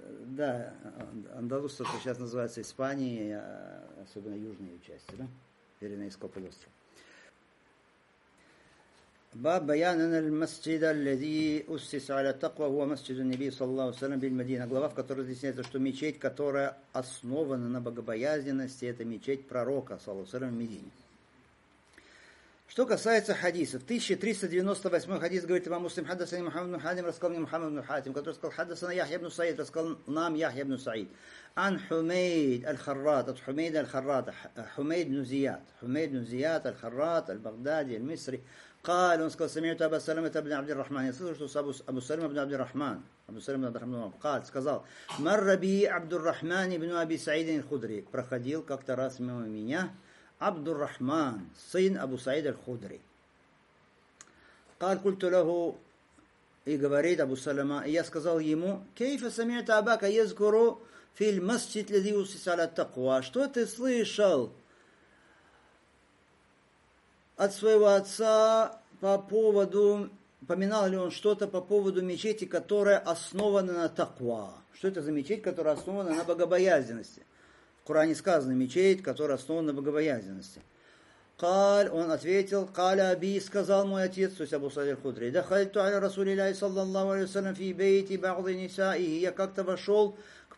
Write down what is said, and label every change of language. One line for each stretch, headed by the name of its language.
Russian: Да, Андалуз, что сейчас называется Испанией, особенно южные части, да? Пиренейское полуостров.
Arabic: باب بيان أن المسجد الذي أسس على التقوى هو مسجد النبي صلى الله عليه وسلم بالمدينة.
Russian: Глава, в которой объясняется, что мечеть, которая основана на богобоязненности, это мечеть пророка, صلى الله عليه وسلم, в Медине. Что касается хадисов. 1398 хадис говорит имам Муслим, хаддасани Мухаммад ибн Хатим, рассказал мне Мухаммад ибн Хатим, который сказал, хаддасана Яхья ибн Саид, рассказал нам Яхья ибн Саид. Ан Хумейд аль-Харрат, от Хумейда аль-Харрата, Хумейд ибн Зияд, аль-Харрат, аль-Багдади, аль-Мисри.
Arabic: قال
Russian: он сказал
Arabic: سمعت ابو سلمة ابن عبد الرحمن يسأل что ابو ابو سلمة ابن عبد الرحمن ابو سلمة ابن عبد الرحمن قال сказал مر بي عبد الرحمن ابن ابي سعيد الخدري
Russian: проходил как-то раз мимо меня
Arabic: عبد الرحمن
Russian: сын
Arabic: ابو سعيد الخدري قال قلت له
Russian: и говорит ابو سلمة и я сказал ему
Arabic: كيف سمعت اباك يذكر في المسجد الذي اسس على التقوى
Russian: что ты слышал от своего отца по поводу, поминал ли он что-то по поводу мечети, которая основана на таква. Что это за мечеть, которая основана на богобоязненности? В Коране сказано, мечеть, которая основана на богобоязненности. Каль, он ответил, каля аби, сказал мой отец, то есть Абу Саид аль-Худри, да хальту аля Расулилляхи саллаллаху алейхи ва саллям фи бейти ба'дзи нисаихи, я как-то вошел к